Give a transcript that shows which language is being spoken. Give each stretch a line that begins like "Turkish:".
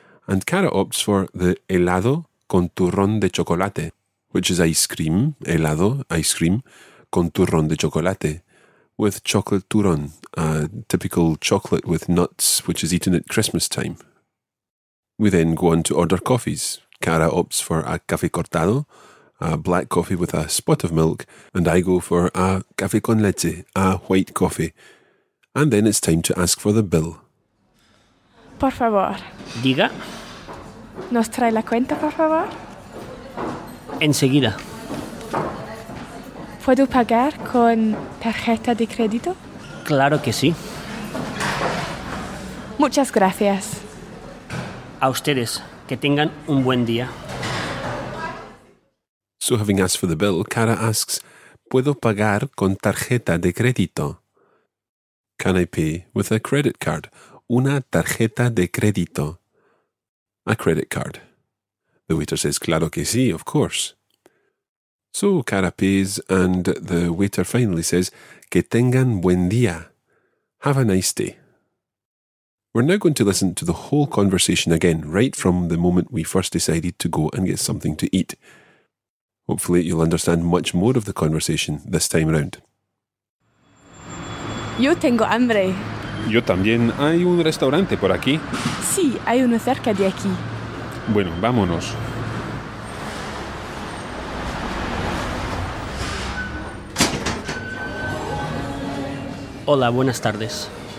English: And Cara opts for the helado con turrón de chocolate, which is ice cream, helado, ice cream, con turrón de chocolate, with chocolate turrón, a typical chocolate with nuts, which is eaten at Christmas time. We then go on to order coffees. Cara opts for a café cortado, a black coffee with a spot of milk, and I go for a café con leche, a white coffee. And then it's time to ask for the bill.
Spanish: Por favor. Diga. ¿Nos trae la cuenta, por favor? Enseguida. ¿Puedo pagar con tarjeta de crédito? Claro que sí. Muchas gracias. A ustedes. Que tengan un buen día.
English: So having asked for the bill, Cara asks,
Spanish: ¿Puedo pagar con tarjeta de crédito?
English: Can I pay with a credit card?
Spanish: Una tarjeta de crédito.
English: A credit card. The waiter says,
Spanish: claro que sí,
English: of course. So Cara pays and the waiter finally says,
Spanish: que tengan buen día.
English: Have a nice day. We're now going to listen to the whole conversation again, right from the moment we first decided to go and get something to eat. Hopefully you'll understand much more of the conversation this time around.
Spanish: Yo tengo hambre. Yo también. ¿Hay un restaurante por aquí? Sí, hay uno cerca de aquí. Bueno, vámonos. Hola, buenas tardes.